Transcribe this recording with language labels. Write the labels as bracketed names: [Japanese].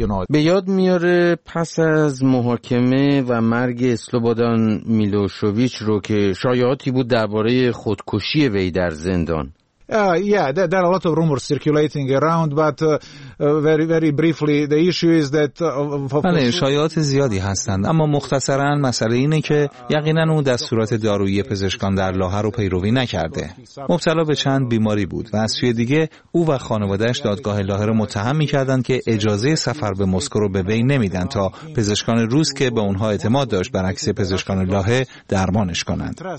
[Persian] به یاد میاره پس از محاکمه و مرگ اسلوبودان میلوشویچ رو که شایعاتی بود درباره خودکشی وی در زندان. [English] There are a lot of rumors circulating around, but very briefly the issue is that [Persian] بله شایعات زیادی هستند اما مختصرا مسئله اینه که یقینا او دستورات دارویی پزشکان در لاهه رو پیروی نکرده. مبتلا به چند بیماری بود و از سوی دیگه او و خانواده‌اش دادگاه لاهه رو متهم می‌کردند که اجازه سفر به مسکو رو به وی نمیدن تا پزشکان روس که به اونها اعتماد داشت برعکس پزشکان لاهه درمانش کنند.